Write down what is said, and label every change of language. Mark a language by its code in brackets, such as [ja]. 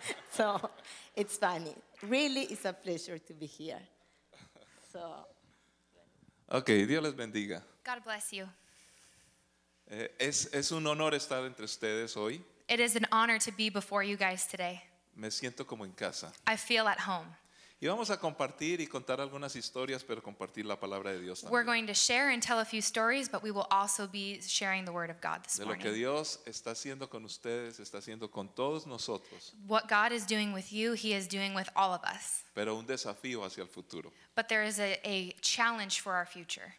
[en] So it's funny. Really, it's a pleasure to be here. So. [es] Okay, Dios les bendiga. [en] God bless you. [es] Es un honor estar entre ustedes hoy. [en] It is an honor to be before you guys today. [es] Me siento como en casa. [en] I feel at home. [es] Y vamos a compartir y contar algunas historias, pero compartir la palabra de Dios también. [en] We're going to share and tell a few stories, but we will also be sharing the word of God this morning. [es] De lo que Dios está haciendo con ustedes, está haciendo con todos nosotros. [en] What God is doing with you, he is doing with all of us. [es] Pero un desafío hacia el futuro. [en] But there is a challenge for our future.